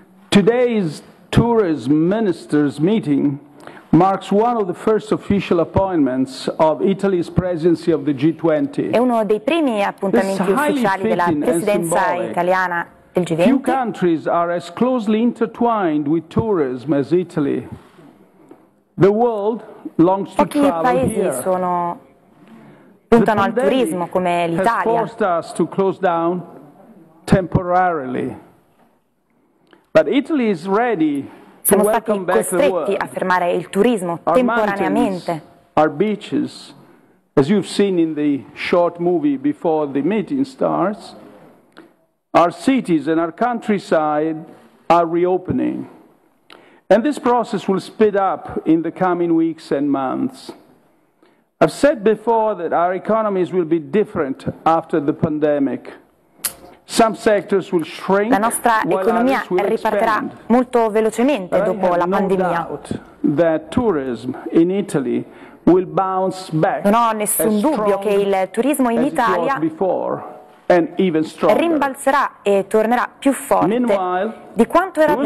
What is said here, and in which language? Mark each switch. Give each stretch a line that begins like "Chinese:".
English: Today's Tourism Ministers' meeting marks one of the first official appointments of Italy's presidency of the G20.
Italian: È uno dei primi appuntamenti ufficiali della presidenza italiana del G20.
English: Few countries are as closely intertwined with tourism as Italy. The world longs to travel here.
Italian: Pochi paesi sono puntano al turismo come l'Italia.
English: The pandemic has forced us to close down temporarily. But Italy is ready to welcome back the world.
Italian: Siamo stati costretti a fermare il turismo temporaneamente.
English: Our beaches, as you've seen in the short movie Before the Meeting Starts, our cities and our countryside are reopening. And this process will speed up in the coming weeks and months. I've said before that our economies will be different after the pandemic. Some sectors will shrink,
Italian: la nostra economia riparterà molto velocemente dopo la pandemia.
English: That tourism in Italy will bounce back.
Italian: Non ho nessun dubbio che il turismo in Italia rimbalzerà e tornerà più forte di quanto era prima.